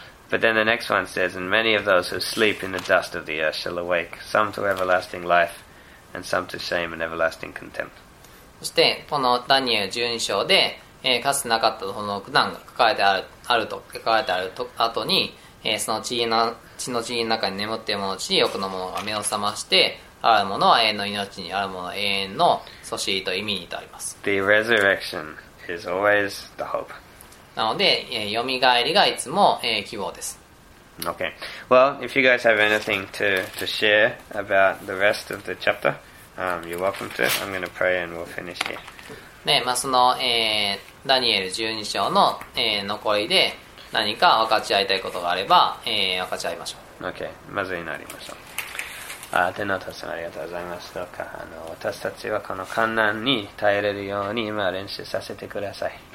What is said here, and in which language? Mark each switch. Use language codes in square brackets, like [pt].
[en] But then the next one says, And many of those who sleep in the dust of the earth shall awake, some to everlasting life, and some to shame and everlasting contempt. [ja] そして、このダニエル12章で、かつてなかったその苦難が書かれてあると、書かれてあると後に、その地の中に眠っているものち、欲の者が目を覚まして、あるものは永遠の命に、あるものは永遠の祖師と意味にとあります。 [en] The resurrection is always the hope. [ja] なので、よみがえりがいつも、希望です。 [en] Okay. Well, if you guys have anything to share about the rest of the chapter, you're welcome to. I'm going to pray and we'll finish here. [ja] ね、まあ、その、ダニエル12章の、残りで何か分かち合いたいことがあれば、分かち合いましょう。 Okay. まず祈りましょう。天のお父さん、ありがとうございます。どうか私たちはこの困難に耐えれるように今練習させてください。